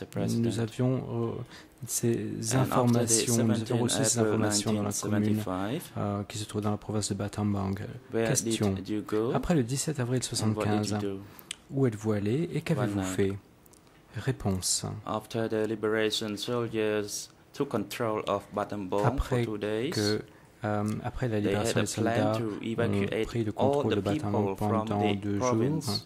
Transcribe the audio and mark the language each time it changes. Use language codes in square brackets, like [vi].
[fr] Nous avions ces informations, nous avons reçu ces informations dans la commune qui se trouve dans la province de Battambang. Question. Après le 17 avril 1975, où êtes-vous allé et qu'avez-vous fait? Réponse. [en] After the liberation, soldiers took control of Battambang [fr] après [en] for 2 days. [fr] Que après la libération des soldats ont pris le contrôle de Battambang pendant 2 jours.